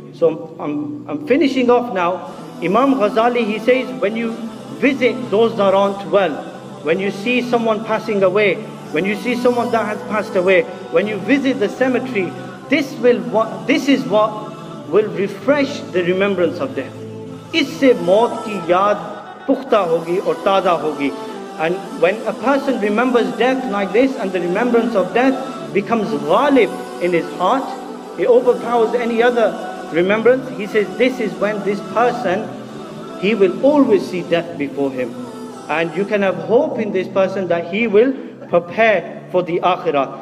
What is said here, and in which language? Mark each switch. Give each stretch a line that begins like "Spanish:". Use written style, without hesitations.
English: So I'm finishing off now. Imam Ghazali, he says, when you visit those that aren't well, when you see someone passing away, When you see someone that has passed away, when you visit the cemetery, this is what will refresh the remembrance of death.
Urdu: اس سے موت کی یاد پختہ ہوگی اور تازہ ہوگی۔
English: And when a person remembers death like this and the remembrance of death becomes ghalib in his heart, he overpowers any other remembrance. He says this is when this person, he will always see death before him. And you can have hope in this person that he will prepare for the akhirah.